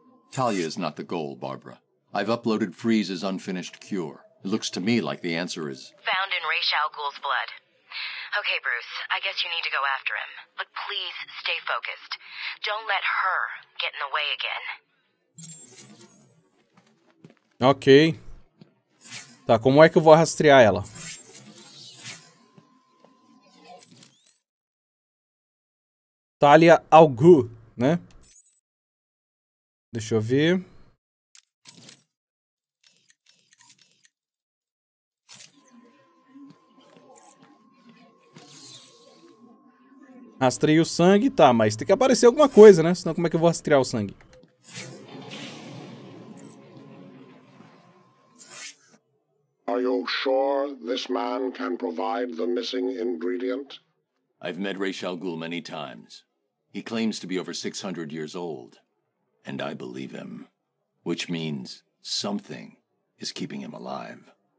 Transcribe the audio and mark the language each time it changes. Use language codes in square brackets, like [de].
[en] Talia is not the goal, Barbara. I've uploaded Freeze's unfinished cure. It looks to me like the answer is... Found in Ra's al Ghul's blood. Okay, Bruce, I guess you need to go after him. But please stay focused. Don't let her get in the way again. Ok. [pt] Tá, como é que eu vou rastrear ela? Talia al Ghul, né? Deixa eu ver. Rastrei o sangue, tá, mas tem que aparecer alguma coisa, né? Senão como é que eu vou rastrear o sangue? [en] Are you sure this man can provide the missing ingredient? I've met Ra's al Ghul many times. He claims to be over 600 years old, and I believe him, which means something is keeping him alive.